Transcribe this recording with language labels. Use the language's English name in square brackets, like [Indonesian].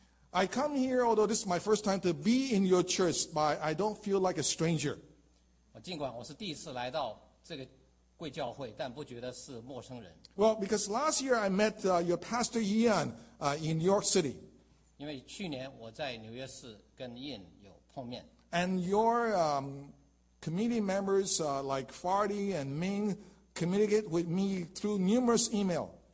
[English] I come here, although this is my first time to be in your church, but I don't feel like a stranger. [Chinese] 尽管我是第一次来到这个贵教会，但不觉得是陌生人。 [English] Well, because last year I met your pastor Ian in New York City. [Chinese] 因为去年我在纽约市跟Ian有碰面。 [English] And your committee members like Fardy and Ming communicate with me through numerous email.